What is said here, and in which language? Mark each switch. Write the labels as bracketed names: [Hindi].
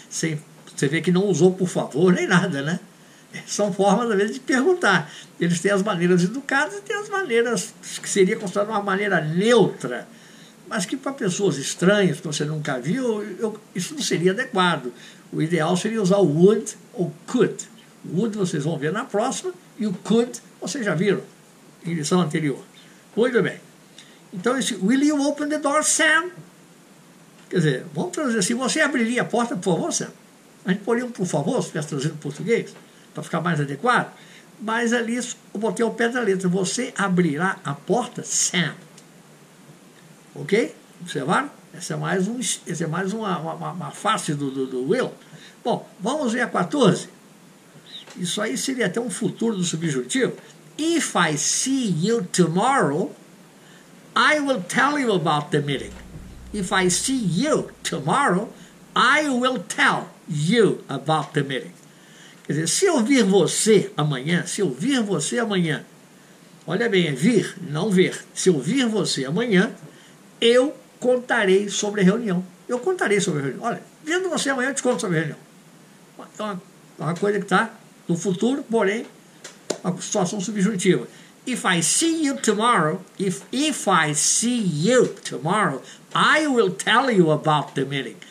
[Portuguese] Você vê que não usou por favor nem nada, né? São formas, às vezes, de perguntar. Eles têm as maneiras educadas e têm as maneiras que seria considerada uma maneira neutra, mas que para pessoas estranhas, que você nunca viu, isso não seria adequado. O ideal seria usar o would ou could. O would vocês vão ver na próxima, e o could vocês já viram em lição anterior. Muito bem. Então, esse [English] will you open the door, Sam? [Portuguese] Quer dizer, vamos trazer assim: você abriria a porta, por favor, Sam? A gente poderia um por favor, se tivesse trazido em português, para ficar mais adequado. Mas ali eu botei ao pé da letra: você abrirá a porta, Sam? Ok? Observaram? Essa é mais uma face do Will. Bom, vamos ver a 14. Isso aí seria até um futuro do subjuntivo. [English] If I see you tomorrow, I will tell you about the meeting. If I see you tomorrow, I will tell you about the meeting. [Portuguese] Quer dizer, se eu vir você amanhã, se eu vir você amanhã, olha bem, é vir, não ver. Se eu vir você amanhã, eu contarei sobre a reunião. Eu contarei sobre a reunião. Olha, vendo você amanhã, eu te conto sobre a reunião. Então, é uma coisa que está no futuro, porém, uma situação subjuntiva. [English] If I see you tomorrow, if I see you tomorrow, I will tell you about the meeting.